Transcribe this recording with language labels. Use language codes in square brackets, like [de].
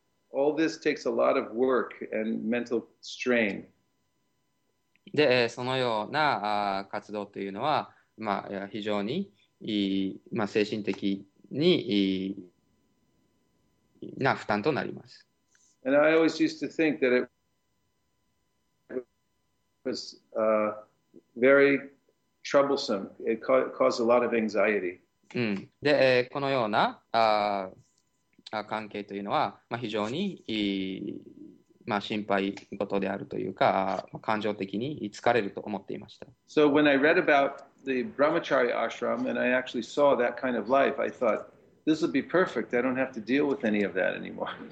[en] All this takes a lot of work and mental strain. [ja] で、そのような活動というのは、まあ、非常に、まあ、精神的にな負担となります。 [en] And I always used to think that was very troublesome. It caused a lot of anxiety. [ja] で、このような、関係というのは、まあ、非常に、まあ、心配事であるというか、感情的に疲れると思っていました。 [en] So when I read about the Brahmachari ashram and I actually saw that kind of life, I thought, this would be perfect. I don't have to deal with any of that anymore.